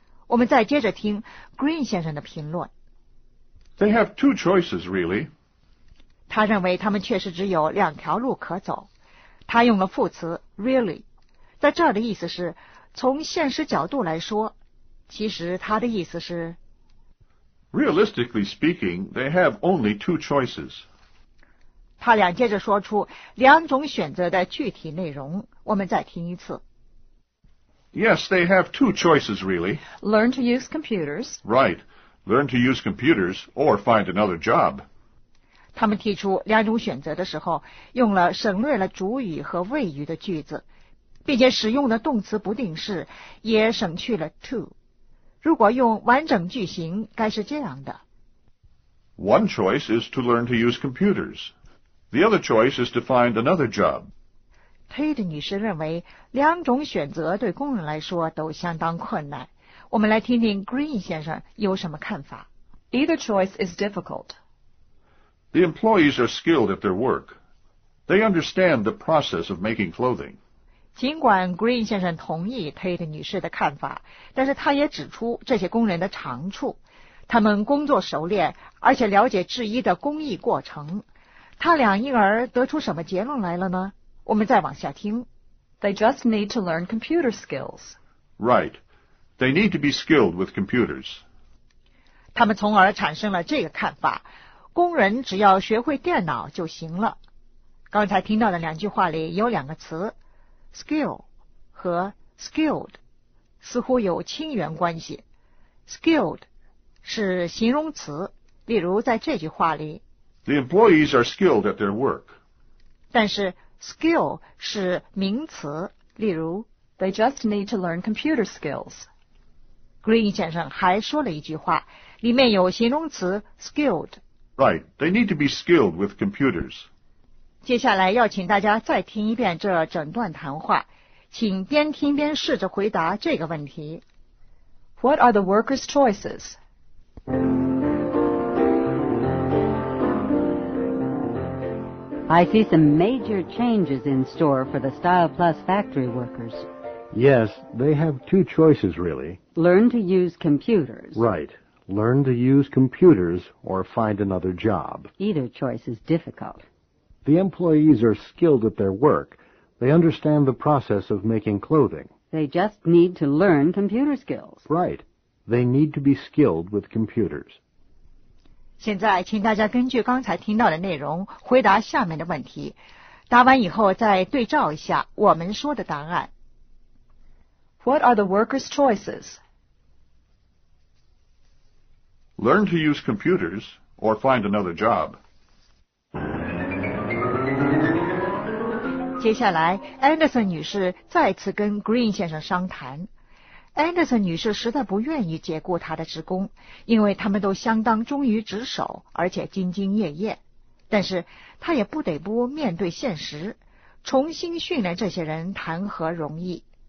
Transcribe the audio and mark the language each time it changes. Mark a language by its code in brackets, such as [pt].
[zh] 我们再接着听 Green 先生的评论。 [en] They have two choices, really. [zh] 他认为他们确实只有两条路可走。他用了副词 really， 在这儿的意思是从现实角度来说，其实他的意思是。 [en] Realistically speaking, they have only two choices. [zh] 他俩接着说出两种选择的具体内容，我们再听一次。 [en] Yes, they have two choices, really. Learn to use computers. Right. Learn to use computers or find another job. [zh] 他们提出两种选择的时候，用了省略了主语和谓语的句子，并且使用的动词不定式也省去了 to。如果用完整句型，该是这样的。 [en] One choice is to learn to use computers. The other choice is to find another job. [zh] Tate 女士认为两种选择对工人来说都相当困难。我们来听听 Green 先生有什么看法。 [en] Either choice is difficult. The employees are skilled at their work. They understand the process of making clothing. [zh] 尽管 Green 先生同意 Tate 女士的看法，但是他也指出这些工人的长处，他们工作熟练，而且了解制衣的工艺过程。他俩因而得出什么结论来了呢？我们再往下听。 [en] They just need to learn computer skills. Right. They need to be skilled with computers. [zh] 他们从而产生了这个看法，工人只要学会电脑就行了。刚才听到的两句话里有两个词。Skill 和 skilled 似乎有亲缘关系。 Skilled 是形容词，例如在这句话里 [en] The employees are skilled at their work. [zh] 但是 skill 是名词，例如 [en] They just need to learn computer skills. [zh] Green 先生还说了一句话，里面有形容词 skilled. [en] Right, they need to be skilled with computers. [zh] 接下来要请大家再听一遍这整段谈话，请边听边试着回答这个问题。 [en] What are the workers' choices? I see some major changes in store for the Style Plus factory workers. Yes, they have two choices, really. Learn to use computers. Right. Learn to use computers or find another job. Either choice is difficult. The employees are skilled at their work. They understand the process of making clothing. They just need to learn computer skills. Right. They need to be skilled with computers. [zh] 现在请大家根据刚才听到的内容回答下面的问题。答完以后再对照一下我们说的答案。 [en] What are the workers' choices? Learn to use computers or find another job. [zh] 接下来 ,Anderson 女士再次跟 Green 先生商谈。 Anderson 女士实在不愿意解雇她的职工，因为他们都相当忠于职守，而且兢兢业业。但是她也不得不面对现实，重新训练这些人谈何容易。